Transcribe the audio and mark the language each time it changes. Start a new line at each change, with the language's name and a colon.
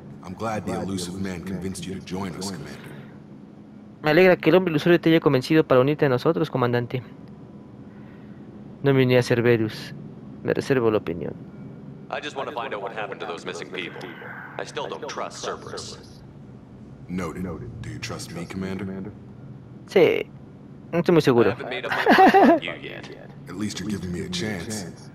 English: I'm glad the elusive man convinced you to join us, Commander.
Spanish: Me alegra que el hombre ilusorio te haya convencido para unirte a nosotros, comandante. No me uní a Cerberus. Me reservo la opinión.
English: I just want to find out what happened to those missing people. I still don't trust Cerberus. Noted. Do you trust me, Commander?
Spanish: Sí. No estoy muy seguro.
English: At least you're giving me a chance.